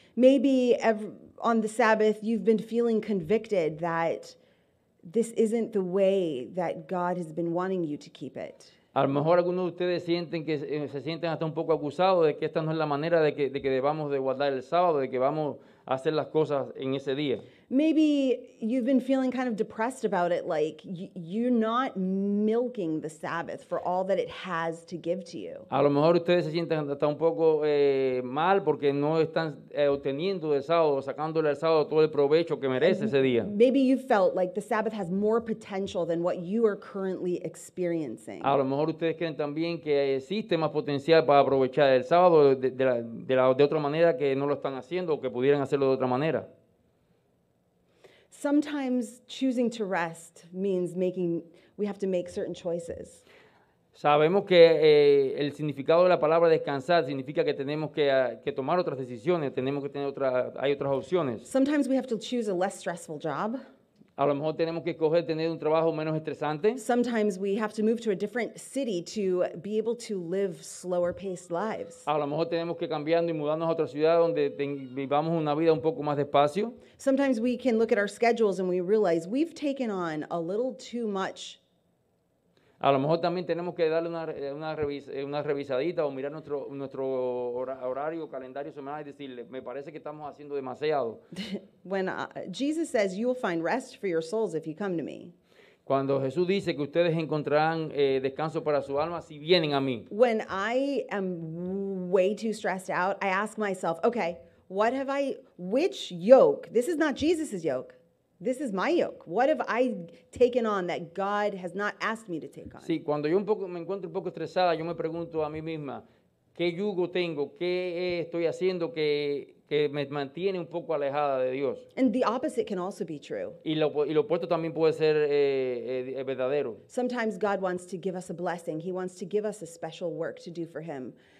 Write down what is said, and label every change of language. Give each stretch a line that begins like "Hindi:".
English: Maybe on the Sabbath you've been feeling convicted that this isn't the way that God has been wanting you to keep it.
Spanish: A lo mejor algunos de ustedes se sienten hasta un poco acusados de que esta no es la manera de que debamos de guardar el sábado, de que vamos a hacer las cosas en ese día.
English: Maybe you've been feeling kind of depressed about it, like you're not milking the Sabbath for all that it has to give to you.
Spanish: A lo mejor ustedes se sienten hasta un poco mal porque no están obteniendo del sábado, sacándole al sábado todo el provecho que merece ese día.
English: Maybe you felt like the Sabbath has more potential than what you are currently experiencing.
Spanish: A lo mejor ustedes creen también que existe más potencial para aprovechar el sábado de otra manera que no lo están haciendo o que pudieran hacerlo de otra manera.
English: Sometimes choosing to rest means we have to make certain choices.
Spanish: Sabemos que el significado de la palabra descansar significa que tenemos que tomar otras decisiones, tenemos que tener hay otras opciones.
English: Sometimes we have to choose a less stressful job.
Spanish: A lo mejor tenemos que escoger tener un trabajo menos estresante.
English: Sometimes we have to move to a different city to be able to live slower paced lives.
Spanish: A lo mejor tenemos que cambiando y mudarnos a otra ciudad donde vivamos una vida un poco más despacio.
English: Sometimes we can look at our schedules and we realize we've taken on a little too much.
Spanish: A lo mejor también tenemos que darle una revisadita o mirar nuestro horario, calendario semanal y decirle, me parece que estamos haciendo demasiado.
English: When Jesus says you will find rest for your souls if you come to me.
Spanish: Cuando Jesús dice que ustedes encontrarán descanso para su alma si vienen a mí.
English: When I am way too stressed out, I ask myself, okay, what have I, which yoke, this is not Jesus's yoke. This is my yoke. What have I taken on that God has not asked me to take on?
Spanish: Sí, cuando yo me encuentro un poco estresada, yo me pregunto a mí misma, ¿qué yugo tengo? ¿Qué estoy haciendo que me mantiene un poco alejada de Dios?
English: And the opposite can also be true.
Spanish: Y lo opuesto también puede ser verdadero.
English: Sometimes God wants to give us a blessing. He wants to give us a special work to do for him.